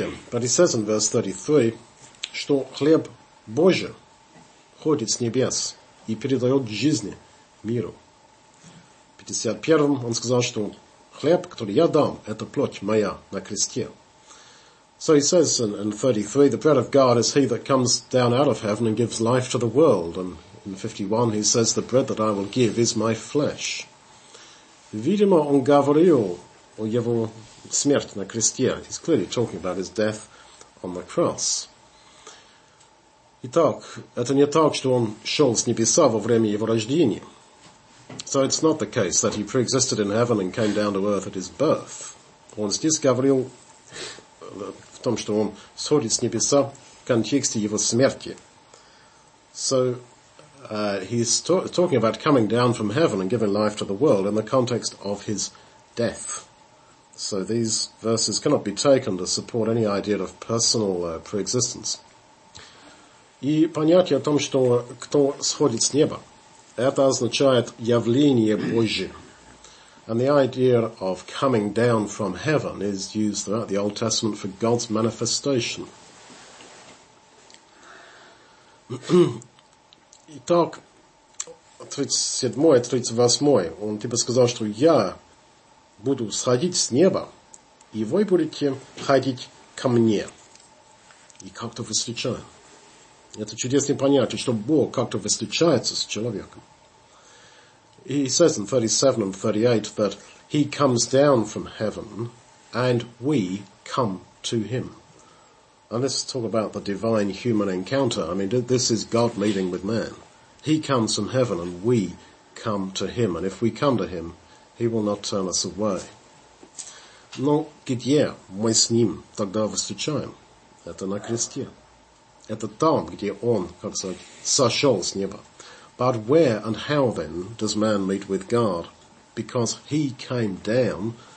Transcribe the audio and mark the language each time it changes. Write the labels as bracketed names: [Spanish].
[English] But he says in verse 33, [Russian] что хлеб Божий ходит с небес и передает жизнь миру. В 51-м он сказал, что хлеб, который я дам, это плоть моя на кресте. [English] So he says in 33, the bread of God is he that comes down out of heaven and gives life to the world. And in 51 he says, the bread that I will give is my flesh. [Russian] Видимо, он говорил о его смерть на кресте. [English] He's clearly talking about his death on the cross. [Russian] Итак, это не так, что он шел с небеса во время его рождения. [English] So it's not the case that he pre-existed in heaven and came down to earth at his birth. [Russian] Он здесь говорил в том, что он сходит с небеса в контексте его смерти. [English] So he's talking about coming down from heaven and giving life to the world in the context of his death. So these verses cannot be taken to support any idea of personal pre-existence. [Russian] И понятие о том, что кто сходит с неба, это означает явление Божие. [English] And the idea of coming down from heaven is used throughout the Old Testament for God's manifestation. [Russian] Итак, 37-й, 38-й, он типа сказал, что я буду сходить с неба, и вы будете ходить ко мне. И как-то встречаем. Это чудесное понятие, что Бог как-то встречается с человеком. [English] He says in 37 and 38 that he comes down from heaven and we come to him. And let's talk about the divine human encounter. I mean, this is God meeting with man. He comes from heaven and we come to him. And if we come to him, he will not turn us away. [Russian] Но где мы с ним тогда встречаем? Это на кресте. Это там, где он, как сказать, сошел с неба. [English] But where and how then does man meet with God? Because he came down